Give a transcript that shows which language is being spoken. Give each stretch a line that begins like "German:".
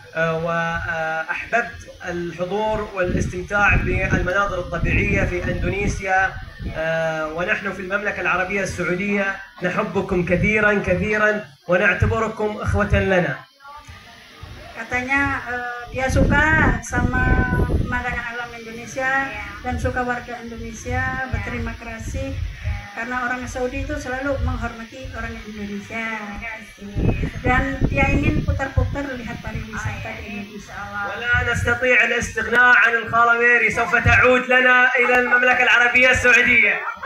Arabic: وأحببت الحضور والاستمتاع بالمناظر الطبيعية في إندونيسيا ونحن في المملكة العربية السعودية نحبكم كثيرا كثيرا ونعتبركم إخوة لنا.
Indonesian: Katanya dia suka sama pemandangan alam Indonesia dan suka warga Indonesia, berterima kasih karena orang Saudi itu selalu menghormati orang Indonesia. Dan dia ingin putar-putar lihat pariwisata di Indonesia.
Arabic: ولا نستطيع الاستغناء عن الخالة ميري سوف تعود لنا إلى المملكة العربية السعودية.